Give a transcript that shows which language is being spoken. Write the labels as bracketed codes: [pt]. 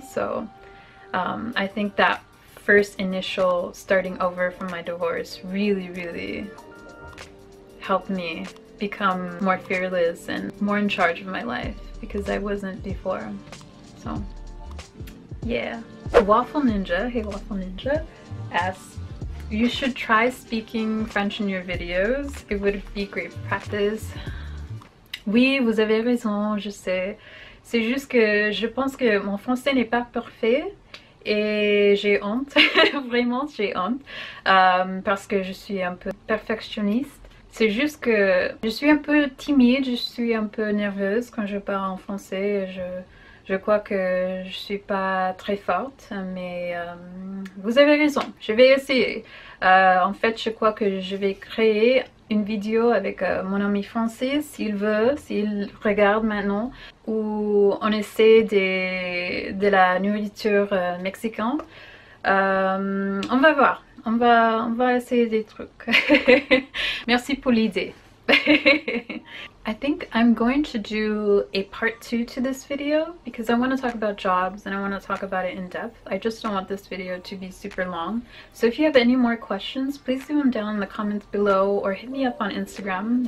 [en] So I think that first initial starting over from my divorce really, really helped me become more fearless and more in charge of my life, because I wasn't before. So yeah. Waffle Ninja asks, you should try speaking French in your videos. It would be great practice. [fr] Oui, vous avez raison, je sais. C'est juste que je pense que mon français n'est pas parfait. Et j'ai honte, vraiment j'ai honte, parce que je suis un peu perfectionniste. C'est juste que je suis un peu timide, je suis un peu nerveuse quand je parle en français. Je crois que je suis pas très forte, mais vous avez raison, je vais essayer. En fait, je crois que je vais créer une vidéo avec mon ami français, s'il veut, s'il regarde maintenant, où on essaie de la nourriture mexicaine. On va voir, on va essayer des trucs. Merci pour l'idée. [en] I think I'm going to do a part two to this video because I want to talk about jobs and I want to talk about it in depth. I just don't want this video to be super long. So if you have any more questions, please leave them down in the comments below or hit me up on Instagram.